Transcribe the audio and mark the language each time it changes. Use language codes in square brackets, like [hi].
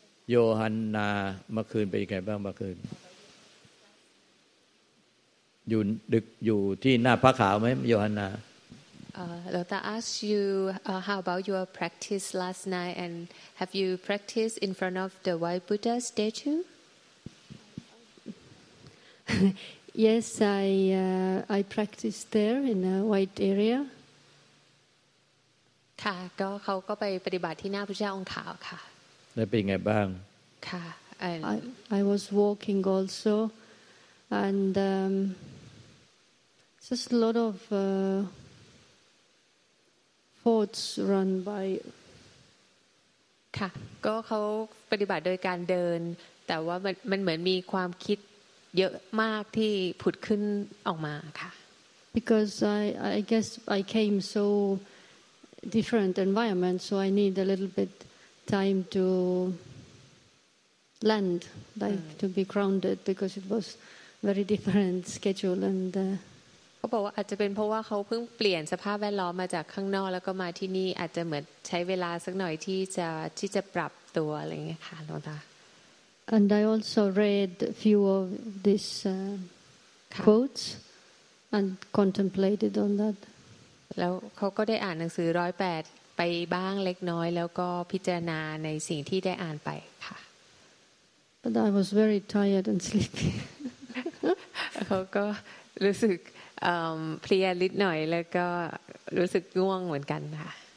[th] โยฮันนาเมื่อคืนเป็นไงบ้างเมื่อคืนอยู่ดึกอยู่ที่หน้าพระขาวไหมโยฮันนา [en] Lotta asked you how about your practice last night and have you practiced in front of the White Buddha statue? Yes, I practiced there in the white area. [th] ค่ะก็เขาก็ไปปฏิบัติที่หน้าพระเจ้าองค์ขาวค่ะ ได้เป็นไงบ้าง ค่ะ [en] I was walking also and just a lot of thoughts run by [th] ค่ะก็เขาปฏิบัติโดยการเดินแต่ว่ามันเหมือนมีความคิดเยอะมากที่ผุดขึ้นออกมาค่ะ [en] because I guess I came so different environment so I need a little bit time to land like to be grounded because it was very different schedule and [th] เขาบอกว่าอาจจะเป็นเพราะว่าเขาเพิ่งเปลี่ยนสภาพแวดล้อมมาจากข้างนอกแล้วก็มาที่นี่อาจจะเหมือนใช้เวลาสักหน่อยที่จะปรับตัวอะไรเงี้ยค่ะหลวงตา [en] And I also read a few of these quotes and contemplated on that [th] แล้วเขาก็ได้อ่านหนังสือ108ไปบ้างเล็กน้อยแล้วก็พิจารณาในสิ่งที่ได้อ่านไปค่ะ [en] But I was very tired and sleepy [th] เขาก็รู้สึกเพลียนิดหน่อยแล้วก็รู้สึกง่วงเหมือนกันค่ะ